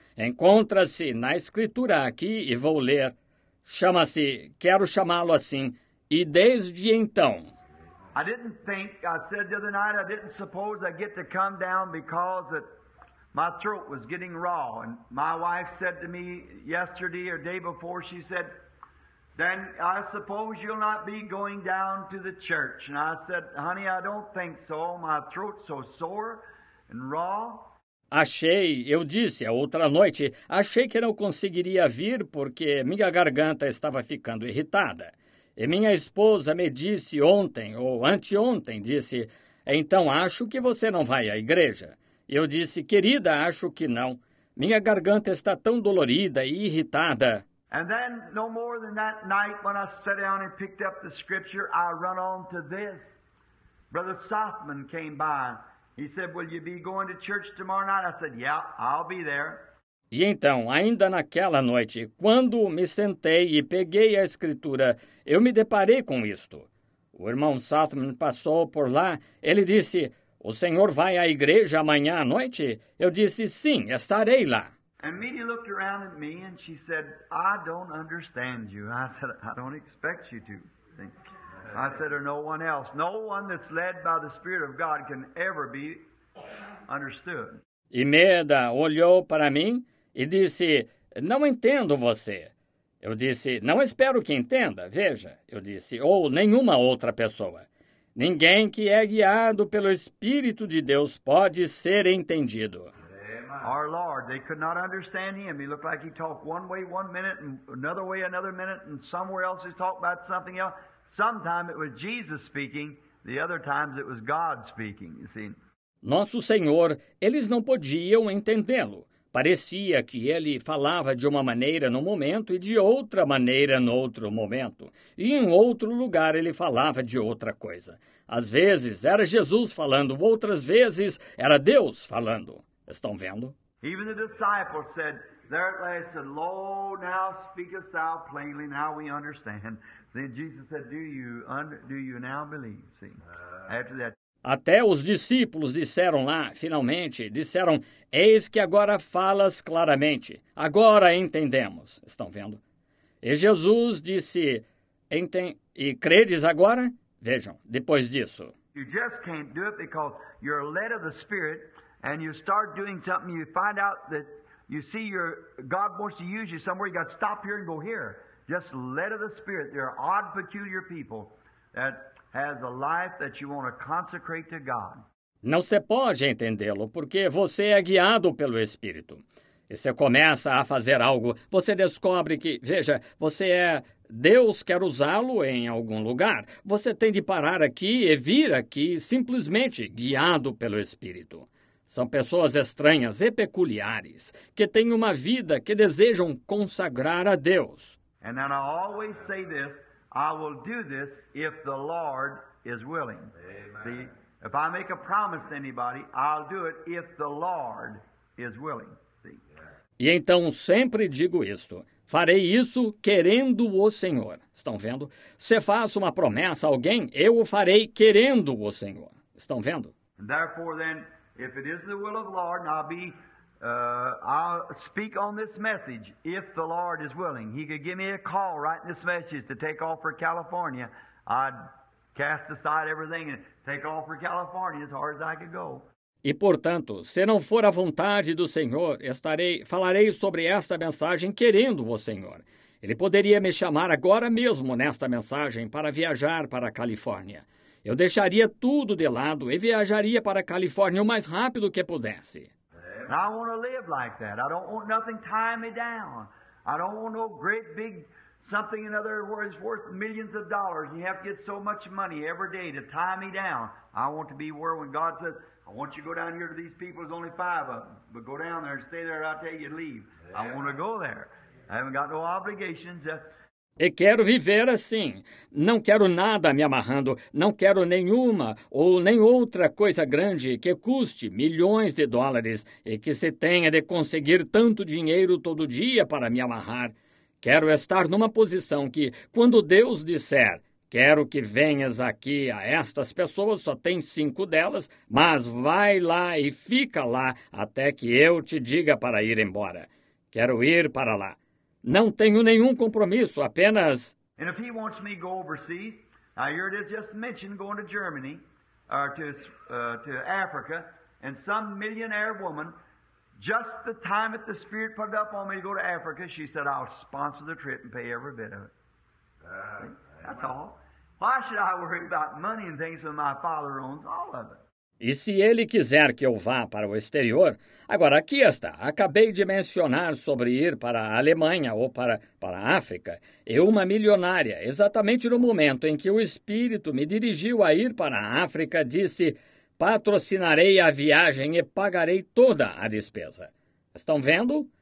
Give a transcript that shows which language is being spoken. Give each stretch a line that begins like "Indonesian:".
Portuguese: Encontra-se na escritura aqui e vou ler. Chama-se, quero chamá-lo assim, e desde então.
English: I said the other night, I didn't suppose I'd get to come down because my throat was getting raw. And my wife said to me yesterday or day before, she said, then I suppose you'll not be going down to the church. And I said, honey, I don't think so. My throat's so sore and raw.
Portuguese: Eu disse a outra noite, achei que não conseguiria vir porque minha garganta estava ficando irritada. E minha esposa me disse ontem, ou anteontem, disse, então acho que você não vai à igreja. Eu disse, querida, acho que não. Minha garganta está tão dolorida e irritada.
English: And then, no more than that night, when I sat down and picked up the scripture, I run on to this. Brother Softman came by. He said, will you be going to church tomorrow night? I said, yeah, I'll be there.
Portuguese: E então, ainda naquela noite, quando me sentei e peguei a escritura, eu me deparei com isto. O irmão Softman passou por lá. Ele disse, o senhor vai à igreja amanhã à noite? Eu disse, sim, estarei lá.
English: And Mimi looked around at me and she said, I don't understand you. I said, I don't expect you to. I said, or no one else. No one that's led by the Spirit of God can ever be understood.
Portuguese: E Meda olhou para mim e disse, não entendo você. Eu disse, não espero que entenda, veja. Eu disse, ou nenhuma outra pessoa. Ninguém que é guiado pelo Espírito de Deus pode ser entendido.
English: Our Lord, they could not understand him. He looked like he talked one way one minute and another way another minute and somewhere else he talked about something else. Sometimes it was Jesus speaking, the other times it was God speaking, you see.
Portuguese: Nosso Senhor, eles não podiam entendê-lo. Parecia que ele falava de uma maneira no momento e de outra maneira no outro momento. E em outro lugar ele falava de outra coisa. Às vezes era Jesus falando, outras vezes era Deus falando. Estão vendo?
English: Even the disciples said, there at last, said, lo, now speakest thou plainly, now we understand. Then Jesus said, do you now believe? See, after that.
Portuguese: Até os discípulos disseram lá, finalmente, disseram, eis que agora falas claramente, agora entendemos. Estão vendo? E Jesus disse, e credes agora? Vejam, depois disso.
English: You just can't do it because you're led of the Spirit. And you start doing something, you find out that you see your God wants to use you somewhere, you got to stop here and go here. Just led of the Spirit. There are odd, peculiar people that has a life that you want to consecrate to God.
Portuguese: Não se pode entendê-lo, porque você é guiado pelo Espírito. E você começa a fazer algo, você descobre que, veja, você é, Deus quer usá-lo em algum lugar. Você tem de parar aqui e vir aqui simplesmente guiado pelo Espírito. São pessoas estranhas e peculiares que têm uma vida que desejam consagrar a Deus.
English: And then I always say this, I will do this if the Lord is willing. Amen. See, if I make a promise to anybody, I'll do it if the Lord is willing. See?
Portuguese: E então sempre digo isto, farei isso querendo o Senhor. Estão vendo? Se faço uma promessa a alguém, eu o farei querendo o Senhor. Estão vendo?
English: And therefore then, if it is the will of the Lord, and I'll speak on this message, if the Lord is willing. He could give me a call right in this message to take off for California. I'd cast aside everything and take off for California as hard as I could go.
Portuguese: E, portanto, se não for a vontade do Senhor, falarei sobre esta mensagem querendo o Senhor. Ele poderia me chamar agora mesmo nesta mensagem para viajar para a Califórnia. Eu deixaria tudo de lado e viajaria para a Califórnia o mais rápido que pudesse.
English: Amen. And I want to live like that. I don't want nothing tying me down. I don't want no great big something, in other words, worth millions of dollars. You have to get so much money every day to tie me down. I want to be where when God says, I want you to go down here to these people. There's only five of them. But go down there and stay there and I'll tell you to leave. Yeah. I want to go there. I haven't got no obligations.
Portuguese: E quero viver assim. Não quero nada me amarrando. Não quero nenhuma ou nem outra coisa grande que custe milhões de dólares e que se tenha de conseguir tanto dinheiro todo dia para me amarrar. Quero estar numa posição que, quando Deus disser, quero que venhas aqui a estas pessoas, só tem cinco delas, mas vai lá e fica lá até que eu te diga para ir embora. Quero ir para lá. Não tenho nenhum compromisso, apenas...
English: And if he wants me to go overseas, I heard it just mentioned going to Germany, or to Africa, and some millionaire woman, just the time that the Spirit put it up on me to go to Africa, she said, I'll sponsor the trip and pay every bit of it. That's all. Why should I worry about money and things when my father owns all of it?
Portuguese: E se ele quiser que eu vá para o exterior, agora aqui está, acabei de mencionar sobre ir para a Alemanha ou para a África, eu uma milionária, exatamente no momento em que o Espírito me dirigiu a ir para a África, disse, patrocinarei a viagem e pagarei toda a despesa. Estão vendo?